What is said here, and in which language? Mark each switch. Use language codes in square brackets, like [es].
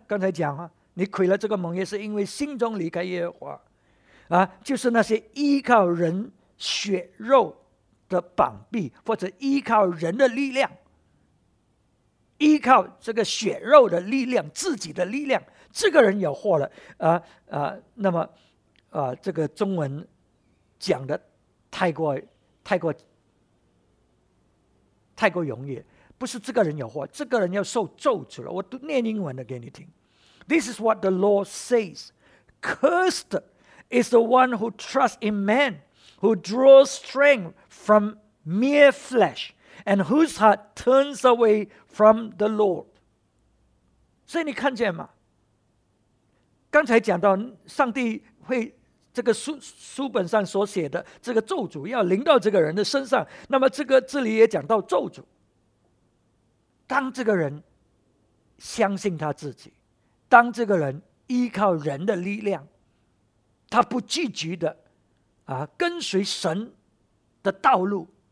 [zh] 刚才讲啊，你亏了这个盟约是因为心中离开耶和华啊，就是那些依靠人血肉的膀臂，或者依靠人的力量，依靠这个血肉的力量，自己的力量，这个人有祸了。那么这个中文讲的太过容易，不是这个人有祸，这个人要受咒诅了。我读念英文的给你听。 [en] This is what the Lord says. Cursed is the one who trusts in man, who draws strength from mere flesh, and whose heart turns away from the Lord. [zh] 所以你看见吗？刚才讲到上帝会这个 书本上所写的这个咒诅要临到这个人的身上，那么这个这里也讲到咒诅，当这个人相信他自己，当这个人依靠人的力量，他不积极的啊跟随神的道路，